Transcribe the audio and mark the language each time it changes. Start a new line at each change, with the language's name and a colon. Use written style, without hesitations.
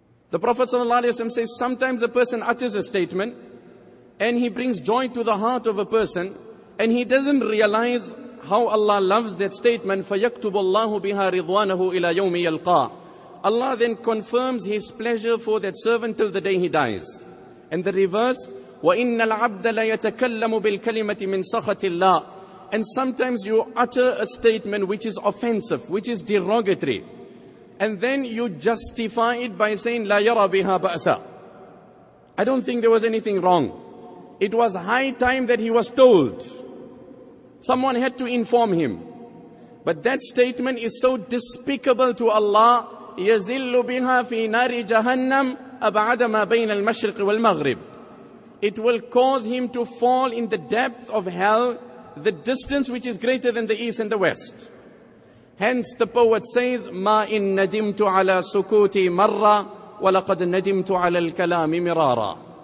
English: The Prophet sallallahu alaihi wasallam says, sometimes a person utters a statement and he brings joy to the heart of a person and he doesn't realize how Allah loves that statement.
Arabic: فَيَكْتُبُ اللَّهُ بِهَا رِضْوَانَهُ إِلَى يَوْمِ يَلْقَى.
English: Allah then confirms His pleasure for that servant till the day he dies. And the reverse,
Arabic: وَإِنَّ الْعَبْدَ لَيَتَكَلَّمُ بِالْكَلِمَةِ مِنْ سَخَةِ اللَّهِ.
English: And sometimes you utter a statement which is offensive, which is derogatory. And then you justify it by saying,
Arabic: لَا يَرَى بِهَا بَأْسَى.
English: I don't think there was anything wrong. It was high time that he was told. Someone had to inform him. But that statement is so despicable to Allah.
Arabic: يَزِلُّ بِهَا فِي نَارِ جَهَنَّمْ أَبْعَدَ مَا بَيْنَ الْمَشْرِقِ وَالْمَغْرِبِ.
English: It will cause him to fall in the depth of hell, the distance which is greater than the east and the west. Hence the poet says,
Arabic: مَا إِن نَدِمْتُ عَلَى سُكُوتِي مَرَّا وَلَقَدْ نَدِمْتُ عَلَى الْكَلَامِ مِرَارًا.